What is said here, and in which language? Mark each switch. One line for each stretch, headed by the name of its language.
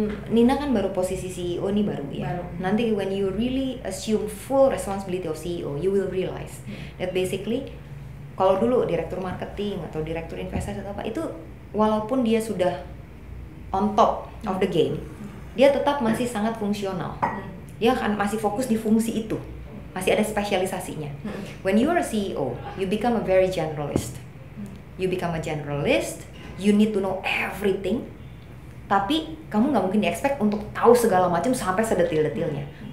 Indonesian: Nina kan baru posisi CEO nih, baru ya. Baru. Nanti
English: when you really assume full responsibility of CEO, you will realize that basically
Indonesian: kalau dulu direktur marketing atau direktur investasi atau apa itu, walaupun dia sudah
English: on top of the game,
Indonesian: dia tetap masih sangat fungsional. Dia akan masih fokus di fungsi itu. Masih ada spesialisasinya.
English: When you are a CEO, you become a very generalist. You become a generalist, you need to know everything.
Indonesian: Tapi kamu enggak mungkin di-expect untuk tahu segala macam sampai sedetil-detilnya.